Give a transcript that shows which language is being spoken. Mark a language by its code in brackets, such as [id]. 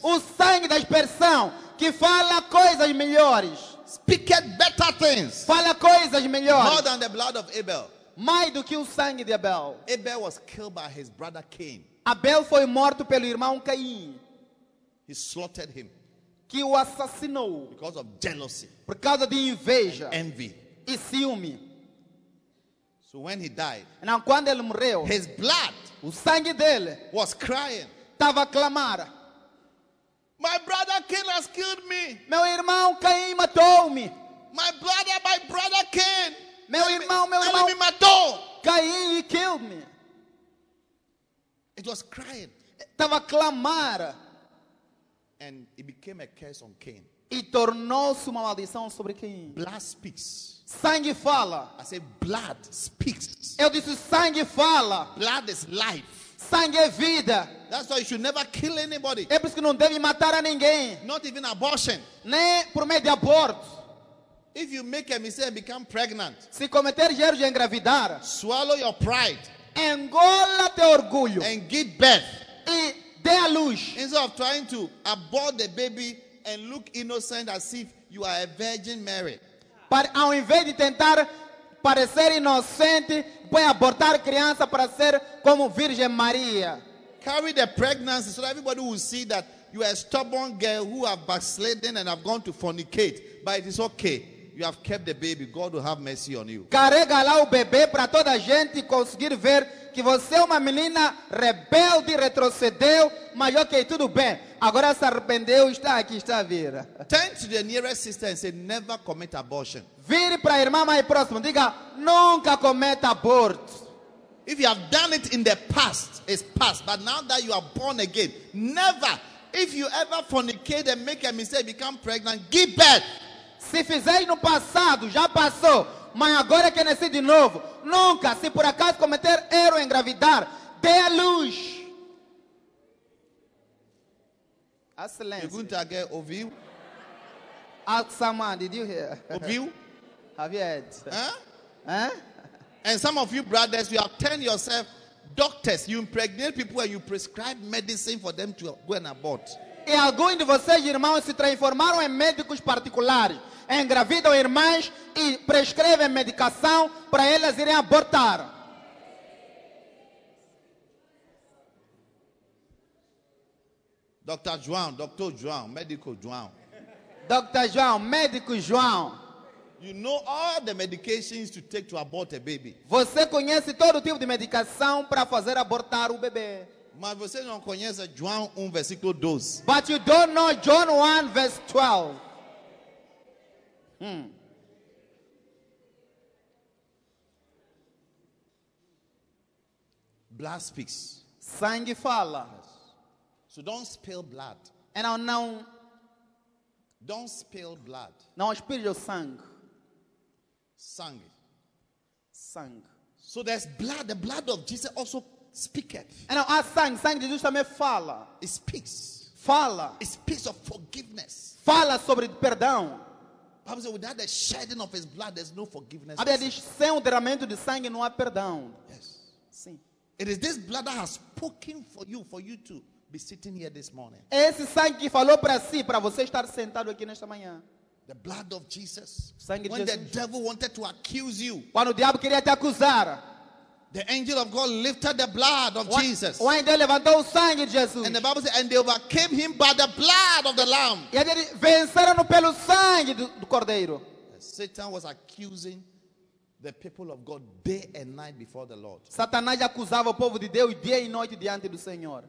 [pt] O sangue da aspersão que fala coisas melhores. [en] Speaketh better things. [pt] Fala coisas melhores. [en] More than the blood of Abel. [pt] Mais do que o sangue de Abel. [en] Abel was killed by his brother Cain. [pt] Abel foi morto pelo irmão Caim. [en] He slaughtered him. [pt] Que o assassinou. [en] Because of jealousy. [pt] Por causa de inveja. [en] And envy. [pt] E ciúme. [en] So when he died. [pt] Então quando ele morreu. [en] His blood. [pt] O sangue dele. [en] Was crying. [pt] Estava a clamar. [en] My brother Cain has killed me. [pt] Meu irmão Caim matou-me. [en] My brother Cain. [pt] Meu irmão. Ele me matou. [en] Caim, he killed me. It was crying. [pt] Estava a clamar. [en] And it became a curse on Cain. [pt] E tornou-se uma maldição sobre Cain. [en] Blood speaks. [pt] Sangue fala. [en] I said blood speaks. [pt] Eu disse sangue fala. [en] Blood is life. [pt] Sangue é vida. [en] That's why you should never kill anybody. [pt] É por isso que não deve matar a ninguém. [en] Not even abortion. [pt] Nem por meio de aborto. [en] If you make a mistake and become pregnant. [pt] Se cometer erro de engravidar. [en] Swallow your pride. [pt] Engola teu orgulho. [en] And give birth. [pt] E dê à luz. [en] Instead of trying to abort the baby and look innocent as if you are a virgin Mary. [pt] Ao invés de tentar parecer inocente, põe abortar criança para ser como Virgem Maria. [en] Carry the pregnancy so that everybody will see that you are a stubborn girl who have backslidden and have gone to fornicate. But it is okay. You have kept the baby. God will have mercy on you. [pt] Carrega lá o bebê para toda a gente conseguir ver que você é uma menina rebelde, retrocedeu, mas ok, tudo bem. Agora se arrependeu, está aqui, está a vir. [en] Turn to the nearest sister and say, never commit abortion. [pt] Vire para a irmã mais próxima, diga, nunca cometa aborto. [en] If you have done it in the past, it's past. But now that you are born again, never. If you ever fornicate and make a mistake, become pregnant, give birth. [pt] Se fizer no passado, já passou. Mas agora que nasci de novo, nunca, se por acaso cometer erro em engravidar, dê a luz. Excelente. [en] You're going to get [pt] ouviu? [en] Ask someone, did you hear? [pt] Ouviu? [en] Have you heard? And some of you brothers, you have turned yourself doctors. You impregnate people and you prescribe medicine for them to go and abort. [pt] E alguns de vocês, irmãos, se transformaram em médicos particulares. Engravidam irmãs e prescrevem medicação para elas irem abortar. Dr. João, médico João. Dr. João, médico João. [en] You know all the medications to take to abort a baby. [pt] Você conhece todo tipo de medicação para fazer abortar o bebê. Mas você não conhece João 1, versículo 12. [en] But you don't know John 1, verse 12. Blood speaks. [pt] Sangue fala. [en] Yes. So don't spill blood. And I'll now. Don't spill blood. [pt] Não espirre o sangue. Sangue. Sangue. [en] So there's blood. The blood of Jesus also speaketh. And now, [pt] as sangue de Jesus também fala. [en] It speaks. [pt] Fala. [en] It speaks of forgiveness. [pt] Fala sobre perdão. [en] Bible says, without the shedding of his blood, there's no forgiveness. [pt] A Bíblia diz, sem o derramamento de sangue não há perdão. [en] Yes. [pt] Sim. [en] It is this blood that has spoken for you to be sitting here this morning. [pt] Esse sangue que falou para si, para você estar sentado aqui nesta manhã. [en] The blood of Jesus. [pt] Sangue de Jesus. [en] When the devil wanted to accuse you. [pt] Quando o diabo queria te acusar. [en] The angel of God lifted the blood of Jesus. When they [pt] levantou o sangue de Jesus. [en] And the Bible says, and they overcame him by the blood of the Lamb. [pt] E eles venceram pelo sangue do cordeiro. [en] Satan was accusing the people of God day and night before the Lord. [pt] Satanás acusava o povo de Deus dia e noite diante do Senhor.